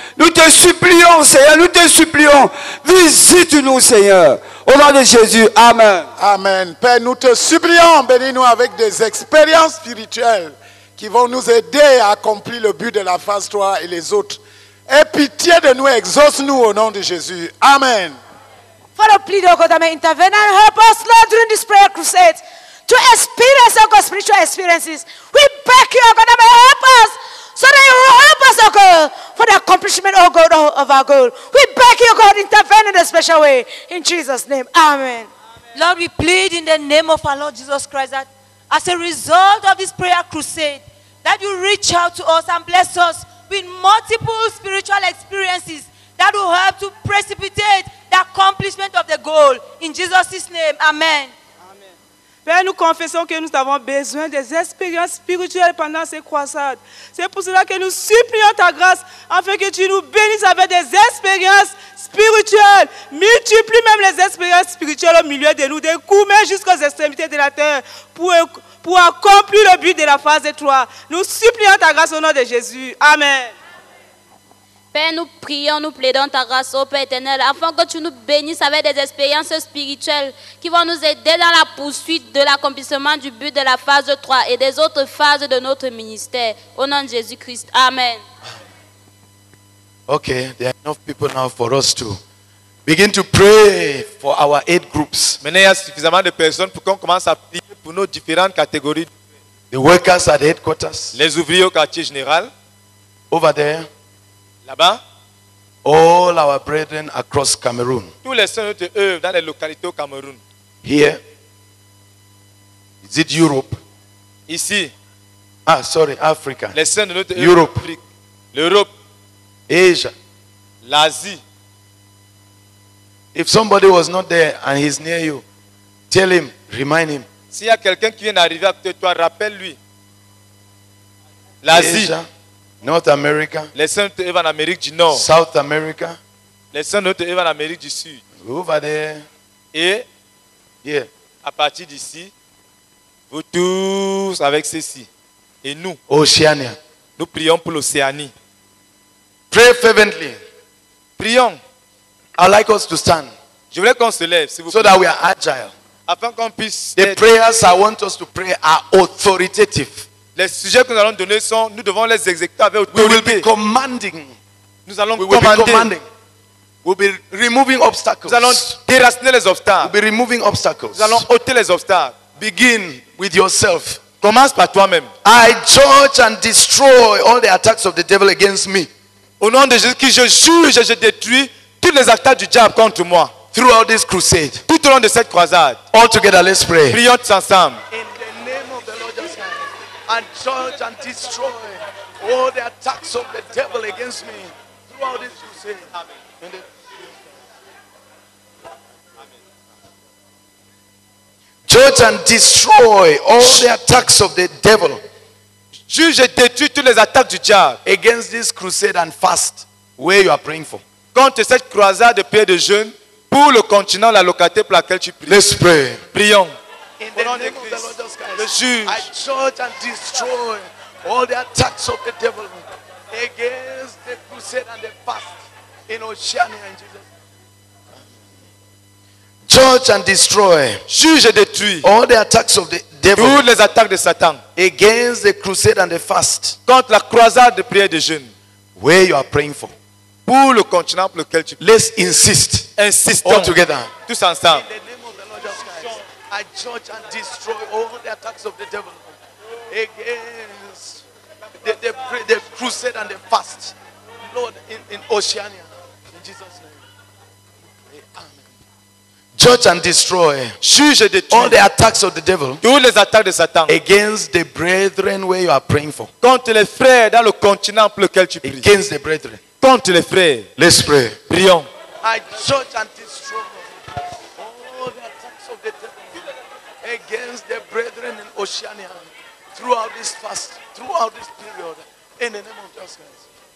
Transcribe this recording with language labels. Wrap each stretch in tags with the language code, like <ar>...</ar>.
<fr>Nous te supplions, Seigneur, nous te supplions. Visite-nous, Seigneur. Au nom de Jésus, amen. Amen. Père, nous te supplions, bénis-nous avec des expériences spirituelles qui vont nous aider à accomplir le but de la phase 3 et les autres. Et pitié de nous, exauce-nous au nom de Jésus. Amen.</fr> <en>For the plea of God, may intervene and help us, Lord, during this prayer crusade to experience our spiritual experiences. We beg you, God, may help us so that you help us, O God, for the accomplishment, O God, of our goal. We beg you, God, intervene in a special way. In Jesus' name, amen. Lord, we plead in the name of our Lord Jesus Christ that as a result of this prayer crusade, that you reach out to us and bless us with multiple spiritual experiences that will help to precipitate the accomplishment of the goal. In Jesus' name, amen.</en> <fr>Père, nous confessons que nous avons besoin des expériences spirituelles pendant ces croisades. C'est pour cela que nous supplions ta grâce afin que tu nous bénisses avec des expériences spirituelles. Multiplie même les expériences spirituelles au milieu de nous, des coumets jusqu'aux extrémités de la terre pour accomplir le but de la phase 3. Nous supplions ta grâce au nom de Jésus. Amen. Père, nous prions, nous plaidons ta grâce, ô Père éternel, afin que tu nous bénisses avec des expériences spirituelles qui vont nous aider dans la poursuite de l'accomplissement du but de la phase 3 et des autres phases de notre ministère. Au nom de Jésus-Christ, amen.</fr> <en>Okay, there are enough people now for us to begin to pray for our 8 groups.</en> <fr>Maintenant, il y a suffisamment de personnes pour qu'on commence à prier pour nos différentes catégories.</fr> <en>The workers at the headquarters.</en> <fr>Les ouvriers au quartier général.</fr> <en>Over there.</en> <fr>Là-bas,</fr> <en>all our brethren across Cameroon.</en> <fr>Tous les saints de œuvre dans les localités au Cameroun.</fr> <en>Here, is it Europe?</en> <fr>Ici.</fr> <en>Ah, sorry, Africa.</en> <fr>Les saints de notre Europe. Afrique. L'Europe.</fr> <en>Asia.</en> <fr>L'Asie.</fr> <en>If somebody was not there and he's near you, tell him, remind him.</en> <fr>S'il y a quelqu'un qui vient d'arriver à côté de toi, rappelle-lui. L'Asie.</fr> <en>Asia. North America.</en> <fr>Les saints de en Amérique du Nord.</fr> <en>South America.</en> <fr>Les saints de en Amérique du Sud.</fr> <en>Over there.</en> <fr>Et</fr> <en>yeah.</en> <fr>À partir d'ici, vous tous avec ceci. Et nous.</fr> <en>Oceania.</en> <fr>Nous prions pour l'Océanie.</fr> <en>Pray fervently.</en> <fr>Prions.</fr> <en>I'd like us to stand.</en> <fr>Je voudrais qu'on se lève, s'il vous plaît.</fr> <en>So that we are agile.</en> <fr>Afin qu'on puisse.</fr> <en>The prayers I want us to pray are authoritative.</en> <fr>Les sujets que nous allons donner sont, nous devons les exécuter avec autorité.</fr> <en>We will be commanding.</en> <fr>Nous allons commander.</fr> <en>We'll be removing obstacles.</en> <fr>Nous allons déraciner les obstacles.</fr> <en>We'll be removing obstacles.</en> <fr>Nous allons ôter les obstacles.</fr> <en>Begin with yourself.</en> <fr>Commence par toi-même.</fr> <en>I judge and destroy all the attacks of the devil against me.</en> <fr>Au nom de Jésus-Christ, je juge et je détruis toutes les attaques du diable contre moi.</fr> <en>Throughout this crusade.</en> <fr>Tout au long de cette croisade.</fr> <en>All together, let's pray.</en> <fr>Prions tous ensemble.</fr> <en>In the name of the Lord Jesus Christ, and judge and destroy all the attacks of the devil against me. Throughout this crusade. Amen. Judge and destroy all the attacks of the devil.</en> <fr>Juge et détruis toutes les attaques du diable</fr> <en>against this crusade and fast where you are praying for.</en> <fr>Contre cette croisade de prière de jeûne pour le continent, la localité pour laquelle tu pries.</fr> <en>Let's pray.</en> <fr>Prions.</fr> <en>In the name of the Lord Jesus Christ,</en> <fr>le juge.</fr> <en>I judge and destroy all the attacks of the devil against the crusade and the fast in Oceania and Jesus. Judge and destroy.</en> <fr>Juge et détruis.</fr> <en>All the attacks of the devil.</en> <fr>Toutes les attaques de Satan.</fr> <en>Against the crusade and the fast.</en> <fr>Contre la croisade de prière de jeûne.</fr> <en>Where you are praying for.</en> <fr>Pour le continent pour lequel tu pries.</fr> <en>Let's insist.</en> <fr>Insistons.</fr> <en>All together.</en> <fr>Tous ensemble.</fr> <en>In the name of the Lord Jesus Christ, I judge and destroy all the attacks of the devil. Against the crusade and the fast. Lord, in Oceania. In Jesus' name. Judge and destroy all the attacks of the devil.</en> <fr>Toutes les attaques de Satan.</fr> <en>Against the brethren where you are praying for.</en> <fr>Contre les frères dans le continent pour lequel tu pries.</fr> <en>Against the brethren.</en> <fr>Contre les frères.</fr> <en>Let's pray.</en> <fr>Prions.</fr> <en>I judge and destroy all the attacks of the devil against the brethren in Oceania throughout this fast, throughout this period, in the name of Jesus Christ.</en>